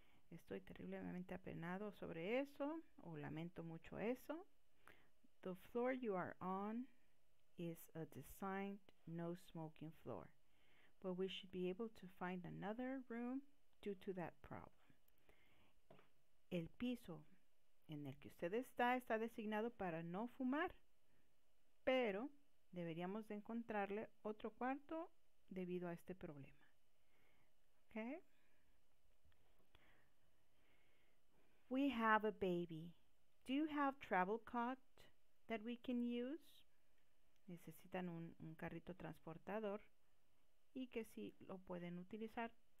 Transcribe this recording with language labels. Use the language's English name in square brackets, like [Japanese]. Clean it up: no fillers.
[Spanish] Estoy terriblemente apenado sobre eso, o lamento mucho eso. [English] The floor you are on is a designed no smoking floor, but we should be able to find another room due to that problem. [Spanish] El piso en el que usted está designado para no fumar, pero deberíamos de encontrarle otro cuarto debido a este problema. [English] Okay. We have a baby. Do you have travel cot that we can use? [Spanish] Necesitan un carrito transportador y que si lo pueden utilizar.